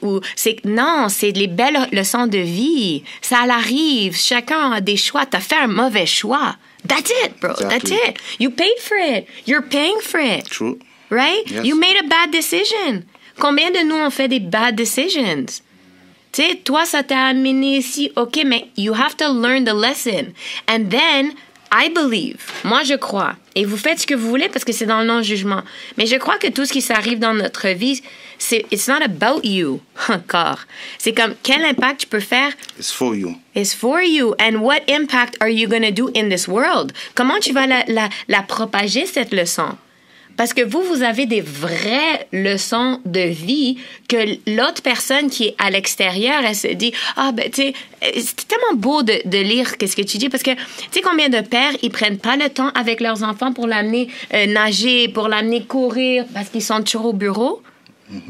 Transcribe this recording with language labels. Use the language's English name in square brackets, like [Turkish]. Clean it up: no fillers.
[French] Ou c'est, non, c'est les belles leçons de vie. Ça arrive. Chacun a des choix. Tu as fait un mauvais choix. [English] That's it, bro. Exactly. That's it. You paid for it. You're paying for it. True. Right? Yes. You made a bad decision. [French] Combien de nous ont fait des [English] bad decisions? [French] Tu sais, toi, ça t'a amené ici. [English] OK, [French] mais [English] you have to learn the lesson. And then, I believe. [French] Moi, je crois. Et vous faites ce que vous voulez parce que c'est dans le non-jugement. Mais je crois que tout ce qui s'arrive dans notre vie, c'est [English] it's not about you, [French] encore. C'est comme, quel impact tu peux faire? [English] It's for you. It's for you. And what impact are you going to do in this world? [French] Comment tu vas la propager, cette leçon? Parce que vous avez des vraies leçons de vie que l'autre personne qui est à l'extérieur, elle se dit, ah, ben, tu sais, c'est tellement beau de lire qu'est-ce que tu dis. Parce que, tu sais, combien de pères, ils prennent pas le temps avec leurs enfants pour l'amener nager, pour l'amener courir, parce qu'ils sont toujours au bureau? Mm-hmm.